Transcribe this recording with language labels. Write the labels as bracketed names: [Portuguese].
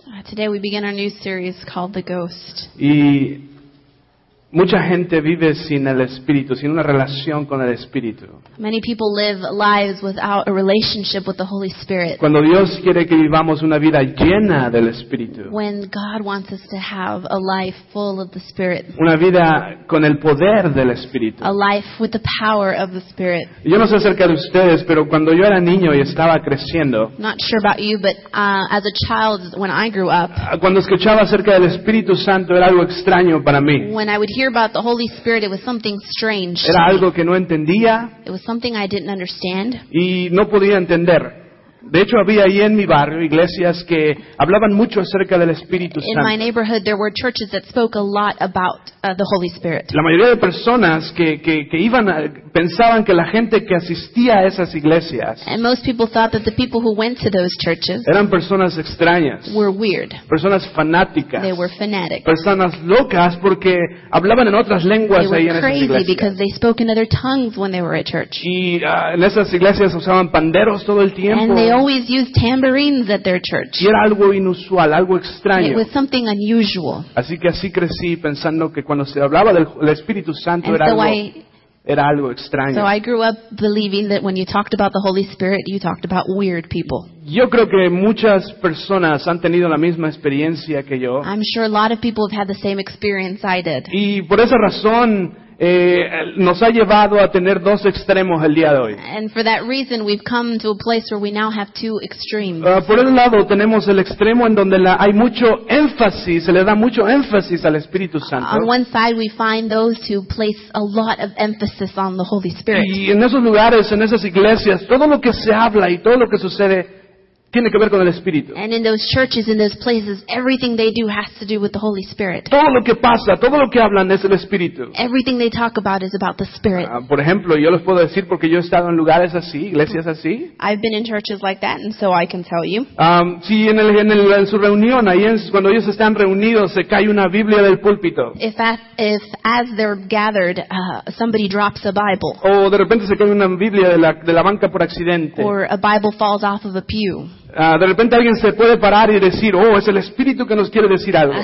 [English] Today we begin our new series called The Ghost. [Spanish] Y mucha gente vive sin el Espíritu, sin una relación con el Espíritu. [English] Many people live lives without a relationship with the Holy Spirit. [Spanish] Cuando Dios quiere que vivamos una vida llena del Espíritu. [English] When God wants us to have a life full of the Spirit. [Spanish] Una vida con el poder del Espíritu. [English] A life with the power of the Spirit. [Spanish] Yo no sé acerca de ustedes, pero cuando yo era niño y estaba creciendo. [English] Not sure about you, but as a child when I grew up. [Spanish] Cuando escuchaba acerca del Espíritu Santo era algo extraño para mí. [English] When I would hear about the Holy Spirit, it was something strange. [Spanish] Era algo que no entendía. [English] It was something I didn't understand. [Spanish] Y no podía entender. De hecho, había ahí en mi barrio iglesias que hablaban mucho acerca del Espíritu Santo. [English] In my neighborhood, there were churches that spoke a lot about the Holy Spirit. [Spanish] La mayoría de personas que iban pensaban que la gente que asistía a esas iglesias. [English] And most people thought that the people who went to those churches. [Spanish] Eran personas extrañas. [English] Were weird. [Spanish] Personas fanáticas. [English] They were fanatic. [Spanish] Personas locas porque hablaban en otras lenguas ahí en esas iglesias. [English] They were crazy because they spoke in other tongues when they were at church. [Spanish] Y en esas iglesias usaban panderos todo el tiempo. [English] And they always used tambourines at their church. [Spanish] Y era algo inusual, algo extraño. [English] It was something unusual. [Spanish] Así que así crecí pensando que cuando se hablaba del Espíritu Santo era algo extraño. [English] So I grew up believing that when you talked about the Holy Spirit, you talked about weird people. [Spanish] Yo creo que muchas personas han tenido la misma experiencia que yo. [English] I'm sure a lot of people have had the same experience I did. [Spanish] Y por esa razón nos ha llevado a tener dos extremos el día de hoy. [English] And for that reason, we've come to a place where we now have two extremes. [Spanish] Por un lado, tenemos el extremo en donde hay mucho énfasis, se le da mucho énfasis al Espíritu Santo. [English] On one side, we find those who place a lot of emphasis on the Holy Spirit. [Spanish] Y en esos lugares, en esas iglesias, todo lo que se habla y todo lo que sucede tiene que ver con el Espíritu. [English] And in those churches, in those places, everything they do has to do with the Holy Spirit. [Spanish] Todo lo que pasa, todo lo que hablan es el Espíritu. [English] Everything they talk about is about the Spirit. [Spanish] Por ejemplo, yo les puedo decir porque yo he estado en lugares así, iglesias así. [English] I've been in churches like that, and so I can tell you. [Spanish] Si en su reunión, ahí cuando ellos están reunidos, se cae una Biblia del púlpito. [English] If as they're gathered, somebody drops a Bible. [Spanish] O de repente se cae una Biblia de la banca por accidente. [English] Or a Bible falls off of a pew. [Spanish] De repente alguien se puede parar y decir, oh, es el Espíritu que nos quiere decir algo.